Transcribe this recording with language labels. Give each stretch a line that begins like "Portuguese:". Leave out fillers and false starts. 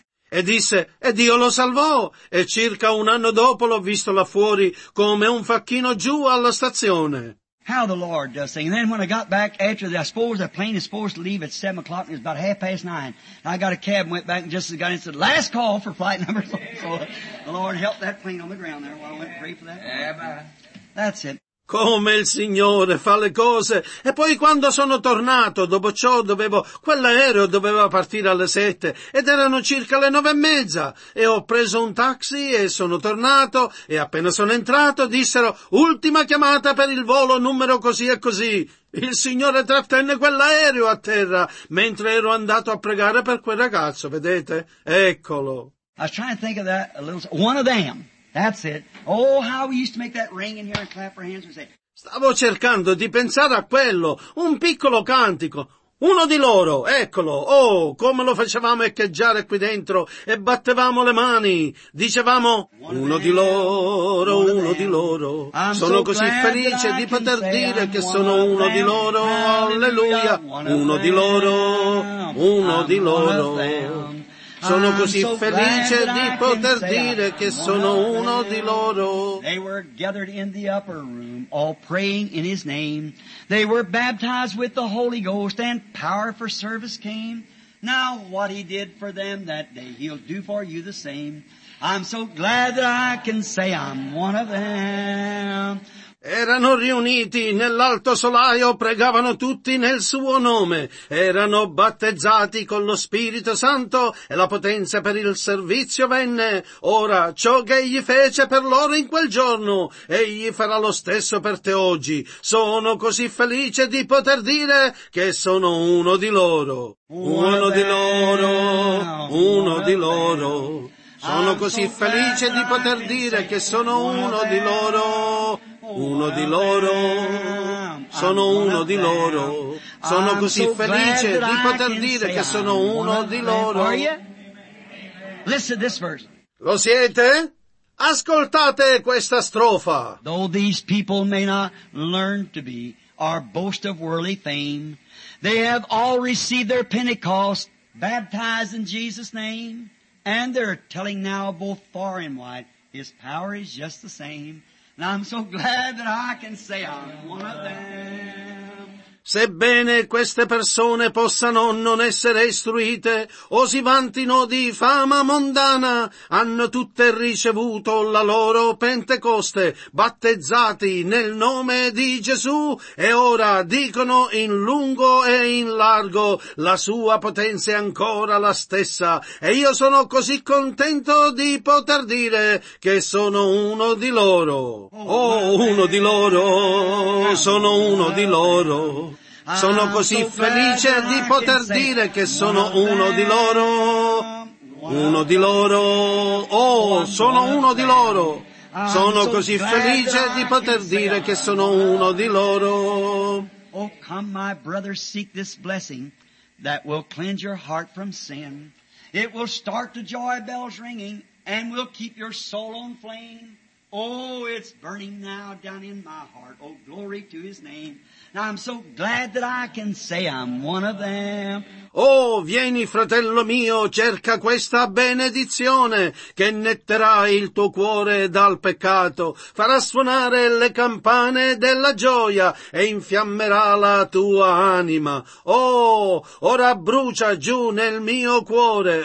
Italian: E disse, e Dio lo salvò, e circa un anno dopo l'ho visto là fuori come un facchino giù alla stazione.
English: how the Lord does things. And then when I got back after that, I suppose the plane is supposed to leave at 7 o'clock, and it was about 9:30. And I got a cab and went back and just got in and said, last call for flight number four. So the Lord helped that plane on the ground there while I went and prayed for that. That's it.
Italian: Come il Signore fa le cose. E poi quando sono tornato, dopo ciò dovevo, quell'aereo doveva partire alle 7 ed erano circa le 9:30 e ho preso un taxi e sono tornato e appena sono entrato dissero ultima chiamata per il volo numero così e così. Il Signore trattenne quell'aereo a terra mentre ero andato a pregare per quel ragazzo, vedete? Eccolo.
English: I was trying to think of that a little, one of them. That's it. Oh, how we used to make that ring in here and clap our hands and say.
Italian: Stavo cercando di pensare a quello, un piccolo cantico. Uno di loro, eccolo. Oh, come lo facevamo echeggiare qui dentro e battevamo le mani. Dicevamo, uno di loro, uno di loro. Sono così felice di poter dire che sono uno di loro. Alleluia. Uno di loro, uno di loro. Sono così felice di poter dire che sono uno di loro.
English: They were gathered in the upper room, all praying in his name. They were baptized with the Holy Ghost, and power for service came. Now what he did for them that day, he'll do for you the same. I'm so glad that I can say I'm one of them.
Italian: Erano riuniti nell'alto solaio, pregavano tutti nel suo nome, erano battezzati con lo Spirito Santo e la potenza per il servizio venne. Ora ciò che egli fece per loro in quel giorno, egli farà lo stesso per te oggi. Sono così felice di poter dire che sono uno di loro, uno di loro, uno di loro. Sono così felice di poter dire che sono uno di loro. Uno di loro, sono uno di loro, sono così felice di poter dire che sono uno di loro.
English: Listen to this verse.
Italian: Lo siete? Ascoltate questa strofa.
English: Though these people may not learn to be or boast of worldly fame, they have all received their Pentecost, baptized in Jesus' name, and they're telling now both far and wide, his power is just the same. And I'm so glad that I can say I'm one of them.
Italian: Sebbene queste persone possano non essere istruite o si vantino di fama mondana, hanno tutte ricevuto la loro Pentecoste, battezzati nel nome di Gesù, e ora dicono in lungo e in largo, la sua potenza è ancora la stessa, e io sono così contento di poter dire che sono uno di loro. Oh, uno di loro, sono uno di loro. Sono così felice di poter dire che sono uno di loro, uno di loro, oh, sono uno di loro. Sono così felice di poter dire che sono uno di loro.
English: Oh, come my brother, seek this blessing that will cleanse your heart from sin. It will start the joy bells ringing and will keep your soul on flame. Oh, it's burning now down in my heart. Oh, glory to his name. Now I'm so glad that I can say I'm one of them.
Italian: Oh, vieni, fratello mio, cerca questa benedizione che netterà il tuo cuore dal peccato, farà suonare le campane della gioia e infiammerà la tua anima. Oh, ora brucia giù nel mio cuore.